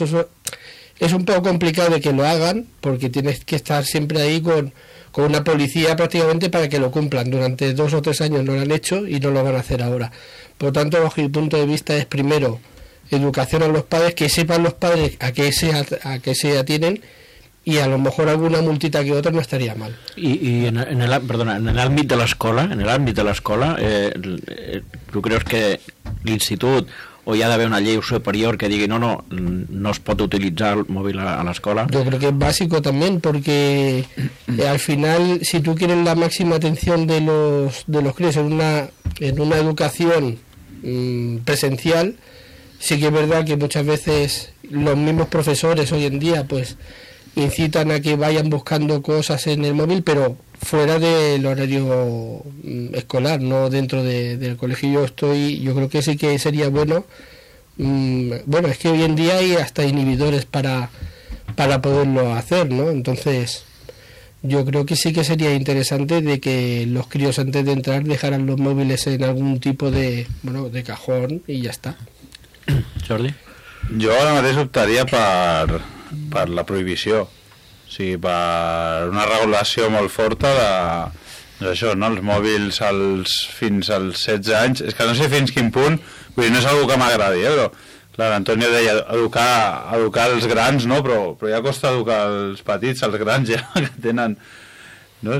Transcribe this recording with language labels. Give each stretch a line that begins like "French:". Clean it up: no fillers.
Spanish: Eso es un poco complicado de que lo hagan, porque tienes que estar siempre ahí con una policía prácticamente para que lo cumplan. Durante 2 o 3 años no lo han hecho y no lo van a hacer ahora. Por lo tanto, bajo mi punto de vista, es primero educación a los padres, que sepan los padres a qué se atienen, y a lo mejor alguna multita que otra no estaría mal.
Catalan: Y en el ámbit de l'escola, tu creus que l'institut, o hi ha d'haver una llei superior que digui
Spanish: no es pot
Catalan: utilitzar el mòbil a l'escola?
Spanish: Yo creo que es básico también, porque al final, si tú quieres la máxima atención de los críos en una educación presencial, sí que es verdad que muchas veces los mismos profesores hoy en día pues incitan a que vayan buscando cosas en el móvil, pero fuera del horario escolar, no dentro del colegio. Yo creo que sí que sería bueno. Bueno, es que hoy en día hay hasta inhibidores para poderlo hacer, ¿no? Entonces, yo creo que sí que sería interesante de que los críos, antes de entrar, dejaran los móviles en algún tipo de, bueno, de cajón y ya está. Jordi. Yo ahora me optaría
Catalan: per la prohibició, o sigui, per una regulació molt forta d'això, no? Els mòbils fins als 16 anys, és que no sé fins quin punt, vull dir, no és una cosa que m'agradi, però l'Antonio deia educar els grans, no? Però ja costa educar els petits, els grans ja que tenen no?